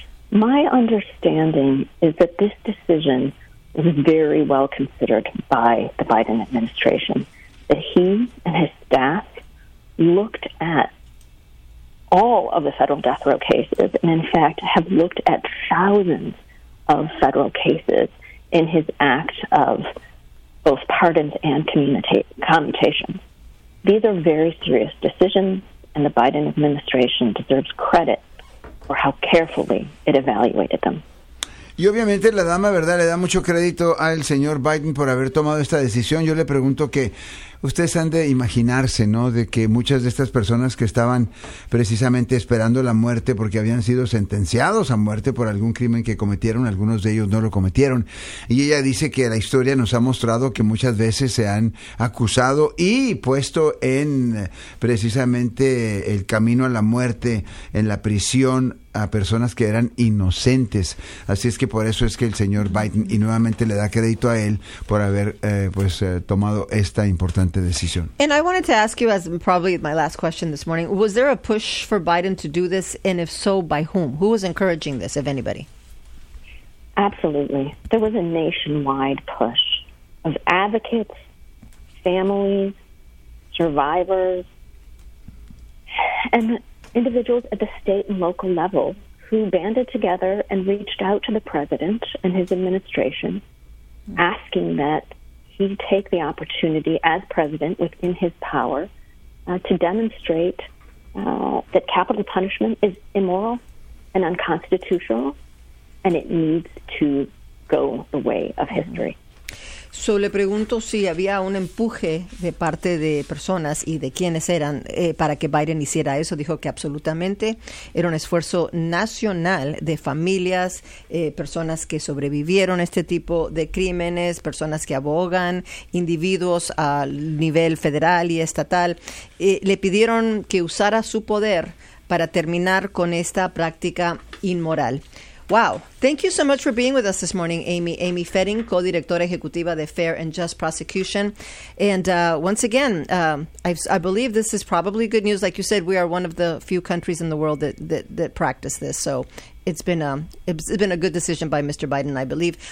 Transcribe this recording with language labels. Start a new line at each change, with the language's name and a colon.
English: My understanding is that this decision was very well considered by the Biden administration, that he and his staff looked at all of the federal death row cases, and in fact have looked at thousands of federal cases in his act of both pardons and commutations. These are very serious decisions, and the Biden administration deserves credit for how carefully it evaluated them.
Spanish: Y obviamente la dama, ¿verdad?, le da mucho crédito al señor Biden por haber tomado esta decisión. Yo le pregunto que ustedes han de imaginarse, ¿no?, de que muchas de estas personas que estaban precisamente esperando la muerte porque habían sido sentenciados a muerte por algún crimen que cometieron, algunos de ellos no lo cometieron. Y ella dice que la historia nos ha mostrado que muchas veces se han acusado y puesto en precisamente el camino a la muerte, en la prisión, a personas que eran inocentes. Así es que por eso es que el señor Biden, y nuevamente le da crédito a él por haber tomado esta importante decisión.
English: And I wanted to ask you, as probably my last question this morning, was there a push for Biden to do this, and if so, by whom? Who was encouraging this, if anybody? Absolutely. There was a nationwide push of advocates, families, survivors, and individuals at the state and local level who banded together and reached out to the president and his administration, asking that he take the opportunity as president within his power to demonstrate that capital punishment is immoral and unconstitutional, and it needs to go the way of history.
Spanish: So le pregunto si había un empuje de parte de personas y de quienes eran para que Biden hiciera eso. Dijo que absolutamente era un esfuerzo nacional de familias, personas que sobrevivieron a este tipo de crímenes, personas que abogan, individuos a nivel federal y estatal. Le pidieron que usara su poder para terminar con esta práctica inmoral.
English: Wow. Thank you so much for being with us this morning, Amy. Amy Fetting, co-directora ejecutiva de Fair and Just Prosecution. And once again, I believe this is probably good news. Like you said, we are one of the few countries in the world that practice this. So it's been a good decision by Mr. Biden, I believe.